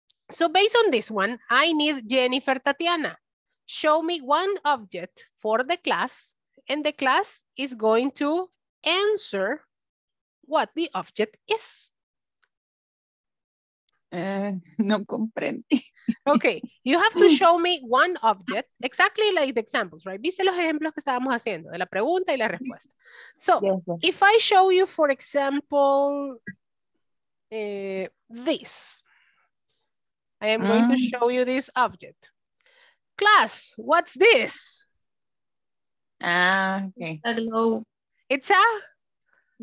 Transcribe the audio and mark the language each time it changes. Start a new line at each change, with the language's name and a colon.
English: So based on this one, I need Jennifer Tatiana. Show me one object for the class, and the class is going to answer what the object is.
Spanish: No comprendí.
English: Okay, you have to show me one object, exactly like the examples, right?
Spanish: Viste los ejemplos que estábamos haciendo, de la pregunta y la respuesta.
English: So, yes, if I show you, for example, this. I am going to show you this object. Class, what's this? Ah, okay. A globe. It's a?